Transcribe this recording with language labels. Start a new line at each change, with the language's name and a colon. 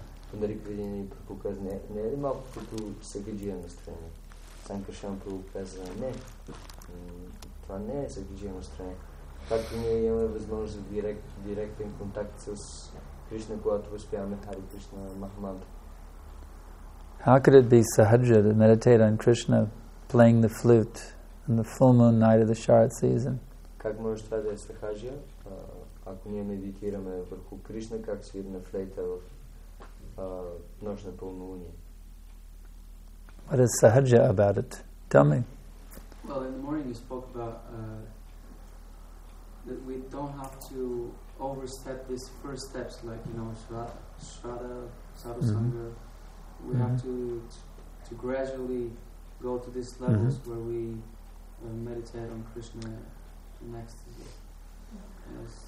Bulgarian: Пандарик Видина и Прабхупада, не е ли малко като Сагаджия настроение? Сам Кришна Прабхупада каза, не, това не е Сагаджия настроение. както ние имаме възможност за директен контакт с Кришна, когато възпяваме Хари Кришна Махамантра.
English: How could it be sahaja to meditate on Krishna playing the flute in the full moon night of the Sharad season?
Bulgarian: Как може това да е сахаджа, ако ние медитираме върху Кришна, как свири на флейта в нощ на пълнолуние?
English: What is sahaja about it? Tell me. Well, in the morning you spoke about that we don't have to overstep these first steps, like, you know, Shraddha, Sadhu Sangha. We have to gradually go to these levels where we meditate on Krishna in ecstasy. Yeah.